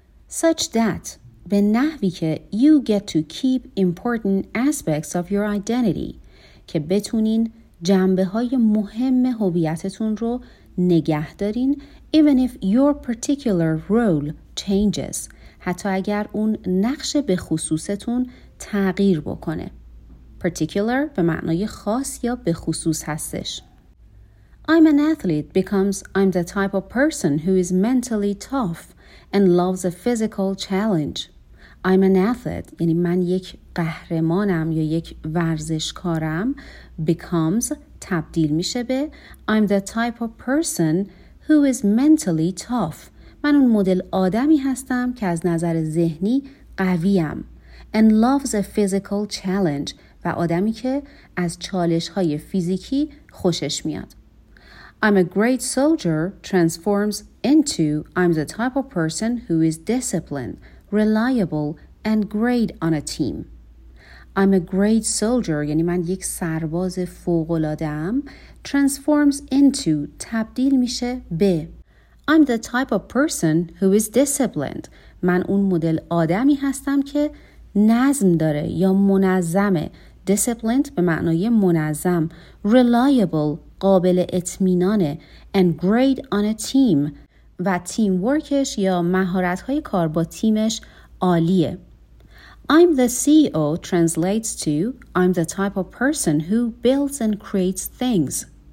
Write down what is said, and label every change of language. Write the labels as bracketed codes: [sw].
[en] Such that [fa] به نحوی که [en] you get to keep important aspects of your identity، [fa] که بتونین جنبه های مهم هویتتون رو نگه دارین، [en] even if your particular role changes، [fa] حتی اگر اون نقش به خصوصتون تغییر بکنه. Particular به معنای خاص یا به خصوص هستش. [en] I'm an athlete becomes I'm the type of person who is mentally tough and loves a physical challenge. I'm an athlete [fa] یعنی من یک قهرمانم یا یک ورزشکارم، [en] becomes [fa] تبدیل میشه به [en] I'm the type of person who is mentally tough. [fa] من اون مدل آدمی هستم که از نظر ذهنی قویم. [en] And loves a physical challenge [fa] و آدمی که از چالش‌های فیزیکی خوشش میاد. [en] I'm a great soldier transforms into I'm the type of person who is disciplined, reliable and great on a team. I'm a great soldier [fa] یعنی من یک سرباز فوق‌العاده‌ام، [en] transforms into [fa] تبدیل میشه به [en] I'm the type of person who is disciplined. [fa] من اون مدل آدمی هستم که نظم داره یا منظمه. Disciplined به معنای منظم، reliable قابل اطمینانه، [en] and great on a team [fa] و تیم ورکش یا مهارت‌های کار با تیمش عالیه. [en] I'm the CEO translates to I'm the type of person who builds and creates things.